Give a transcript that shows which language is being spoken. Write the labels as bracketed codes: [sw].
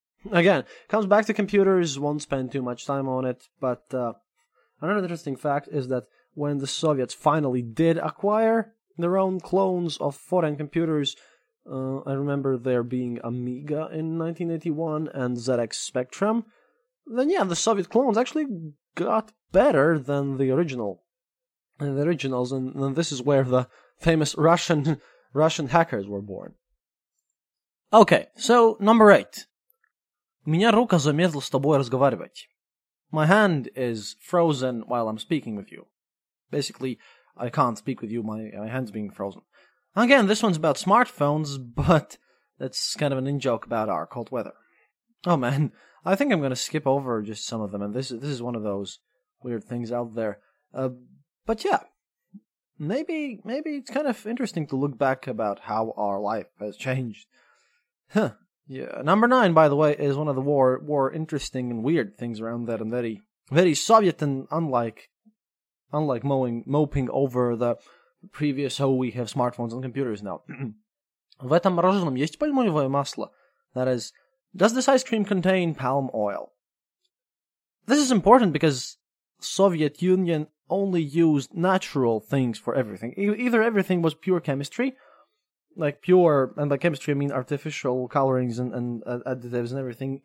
[en] Again, comes back to computers, won't spend too much time on it, but another interesting fact is that when the Soviets finally did acquire their own clones of foreign computers, I remember there being Amiga in 1981 and ZX Spectrum, then yeah, the Soviet clones actually got better than the original. And the originals, and this is where the famous Russian hackers were born. Okay, so number 8. [ru] Меня рука замерзла с тобой разговаривать. [en] My hand is frozen while I'm speaking with you. Basically, I can't speak with you, my hand's being frozen. Again, this one's about smartphones, but that's kind of an in-joke about our cold weather. Oh man, I think I'm going to skip over just some of them, and this is one of those weird things out there. But yeah, maybe it's kind of interesting to look back about how our life has changed. Huh, yeah. Number 9, by the way, is one of the more interesting and weird things around that, and very, very Soviet and unlike moping over the previous, oh, we have smartphones and computers now. [ru] В этом мороженом есть пальмовое масло? [en] That is, does this ice cream contain palm oil? This is important because Soviet Union only used natural things for everything. Either everything was pure chemistry, like pure, and by chemistry I mean artificial colorings and additives and everything.